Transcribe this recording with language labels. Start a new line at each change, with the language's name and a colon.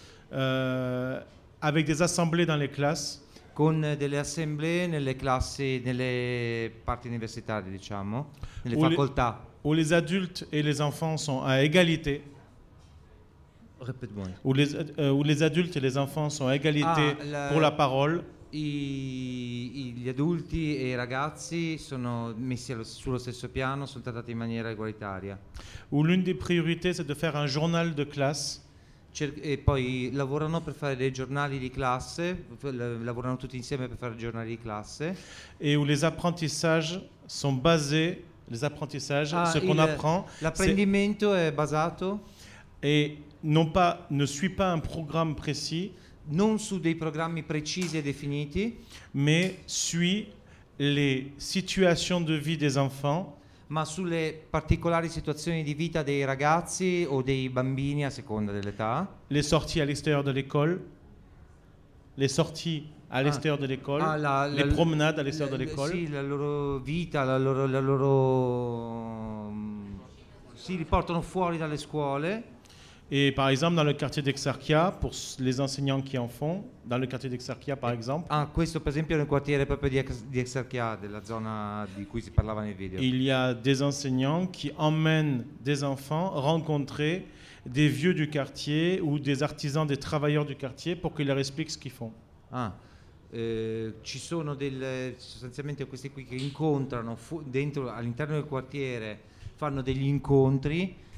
French: Avec des assemblées dans les classes.
Italian: Con delle assemblee nelle classi, nelle parti universitarie, diciamo, nelle facoltà.
French: Où les adultes et les enfants sont à égalité. Répète-moi. Où les adultes et les enfants sont à égalité pour la parole.
Italian: Gli adulti e i ragazzi sono messi sullo stesso piano, sono trattati in maniera egualitaria.
French: Où l'une des priorités c'est de faire un journal de classe.
Italian: E poi lavorano per fare dei giornali di classe, lavorano tutti insieme per fare giornali di classe.
French: Et où les apprentissages sont basés, les apprentissages, ce qu'on apprend.
Italian: L'apprendimento è basato.
French: Et non pas, ne suit pas un programme précis.
Italian: Non su dei programmi precisi e definiti.
French: Mais suit les situations de vie des enfants.
Italian: Ma sulle particolari situazioni di vita dei ragazzi o dei bambini a seconda dell'età.
French: Le sortie all'extérieur de l'école. Le sortie all'extérieur de l'école. Le promenade all'extérieur de l'école.
Italian: Sì, la loro vita, la loro. Si riportano fuori dalle scuole.
French: E par exemple, dans le quartier d'Exarchia, pour les enseignants qui en font, dans le quartier d'Exarchia, par exemple.
Italian: Ah, questo per esempio è nel quartiere proprio di Exarchia, della zona di cui si parlava nel video.
French: Il y a des enseignants qui emmènent des enfants rencontrer des vieux du quartier ou des artisans, des travailleurs du quartier pour qu'ils leur expliquent ce qu'ils font.
Italian: Ah, ci sono delle, sostanzialmente questi qui che incontrano dentro, all'interno del quartiere, fanno degli incontri.